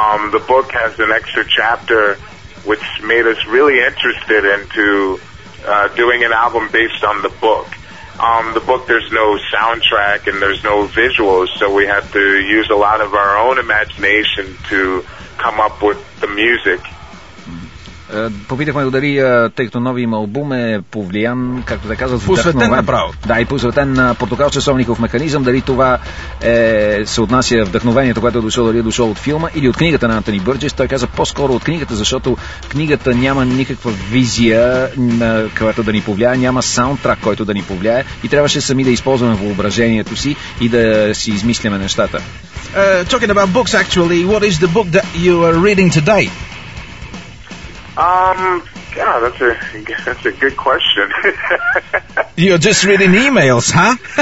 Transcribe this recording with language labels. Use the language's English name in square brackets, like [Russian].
[English] The book has an extra chapter which made us really interested into doing an album based on the book. The book, there's no soundtrack and there's no visuals, so we had to use a lot of our own imagination to come up with the music. [Bulgarian] Попитахме го дали, тъй като новият албум е повлиян, както да казват, посветен направо. Да, и посветен на портокал-часовников механизъм, дали това се отнася вдъхновението, което е дошло, дали е дошло от филма или от книгата на Антони Бърджес. Той каза по-скоро от книгата, защото книгата няма никаква визия, на която да ни повлияе, няма саундтрак, който да ни повлияе, и трябваше сами да използваме въображението си и да си измислиме нещата. [English] Talking about books, actually, what is the book that you are reading today? That's a good question. You're just reading emails, huh?